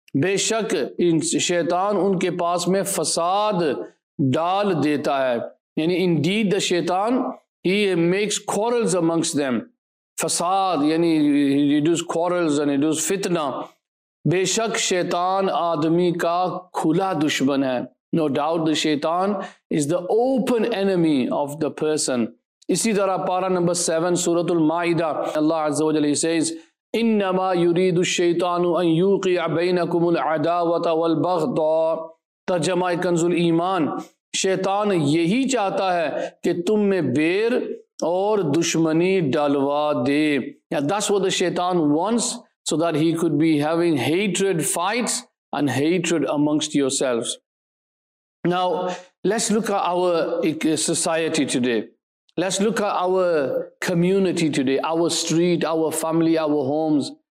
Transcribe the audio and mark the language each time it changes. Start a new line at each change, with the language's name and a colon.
Urdu: بے شک شیطان ان کے پاس میں فساد ڈال دیتا ہے.
English: یعنی indeed the shaitan, he makes quarrels amongst them.
Urdu: فساد, یعنی
English: he does quarrels and he does fitna.
Urdu: بے شک شیطان آدمی کا کھلا دشمن ہے.
English: No doubt the shaitan is the open enemy of the person.
Urdu: Isi tarah para number 7,
Arabic: Surah Al-Ma'idah,
English: Allah Azza wa Jalla says,
Arabic: إِنَّمَا يُرِيدُ الشَّيْطَانُ أَن يُوقِعَ بَيْنَكُمُ الْعَدَاوَةَ وَالْبَغْضَى تَجَمَعِ كَنْزُ الْإِيمَانِ.
Urdu: شیطان یہی چاہتا ہے کہ تم میں بیر اور دشمنی ڈالوا دے.
English: Yeah, that's what the shaitan wants, so that he could be having hatred fights and hatred amongst yourselves. Now, let's look at our society today. Let's look at our community today, our street, our family, our homes.